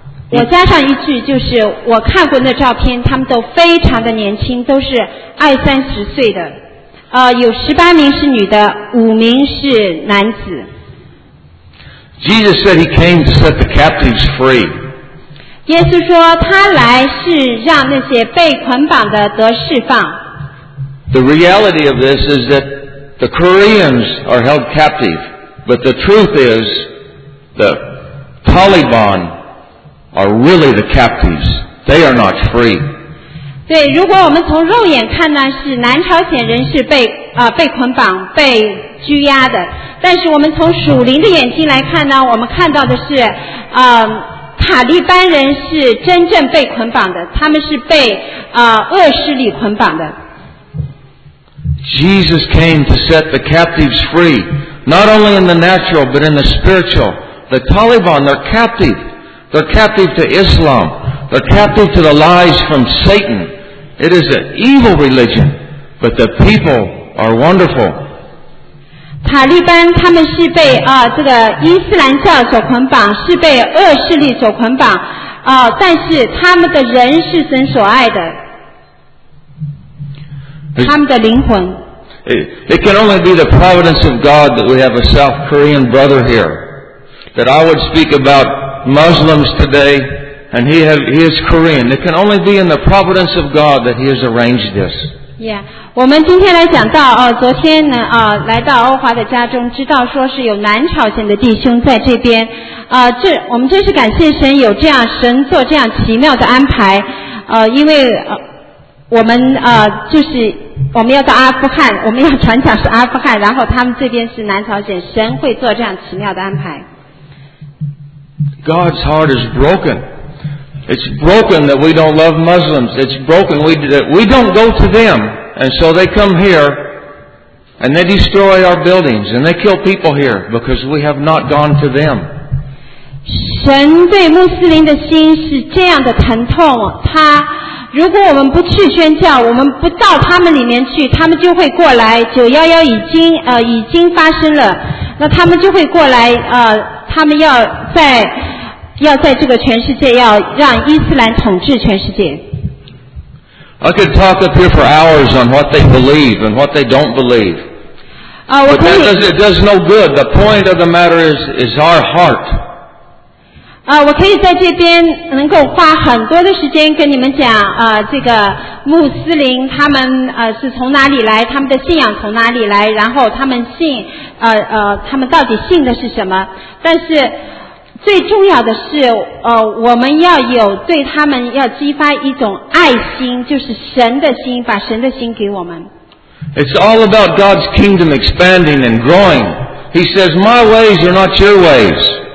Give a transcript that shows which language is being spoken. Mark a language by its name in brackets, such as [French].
[Chinese] 我加上一句，就是我看过那照片，他们都非常的年轻，都是二三十岁的，有18名是女的，5名是男子。 [English] Jesus said he came to set the captives free. [Chinese] 耶稣说他来是让那些被捆绑的得释放。 [English] The reality of this is that the Koreans are held captive, but the truth is the Taliban are really the captives. They are not free. [Chinese] 对，如果我们从肉眼看呢，是南朝鲜人是被捆绑、被拘押的。但是我们从属灵的眼睛来看呢，我们看到的是，塔利班人是真正被捆绑的，他们是被恶势力捆绑的。 [English] Jesus came to set the captives free, not only in the natural but in the spiritual. The Taliban, they're captive. They're captive to Islam. They're captive to the lies from Satan. It is an evil religion, but the people are wonderful. [Chinese] 塔利班他们是被这个伊斯兰教所捆绑，是被恶势力所捆绑。但是他们的人是神所爱的，他们的灵魂。 [English] It can only be the providence of God that we have a South Korean brother here. That I would speak about Muslims today, and he is Korean. It can only be in the providence of God that he has arranged this. Yeah. [Chinese] 我们今天来讲到，昨天呢，来到欧华的家中，知道说是有南朝鲜的弟兄在这边。我们真是感谢神有这样，神做这样奇妙的安排。因为，我们，就是我们要到阿富汗，我们要传讲是阿富汗，然后他们这边是南朝鲜，神会做这样奇妙的安排。 [English] God's heart is broken. It's broken that we don't love Muslims. It's broken that we don't go to them. And so they come here and they destroy our buildings and they kill people here because we have not gone to them. [Chinese] 神对穆斯林的心是这样的疼痛，他如果我们不去宣教，我们不到他们里面去，他们就会过来。 911已经发生了，那他们就会过来，他们要在这个全世界要让伊斯兰统治全世界。 [English] I could talk up here for hours on what they believe and what they don't believe. But that does no good. The point of the matter is our heart. [Chinese] 我可以在这边能够花很多的时间跟你们讲，这个穆斯林他们是从哪里来，他们的信仰从哪里来，然后他们信他们到底信的是什么，但是最重要的是，我们要有对他们要激发一种爱心，就是神的心，把神的心给我们。 [English] It's all about God's kingdom expanding and growing. He says, "My ways are not your ways."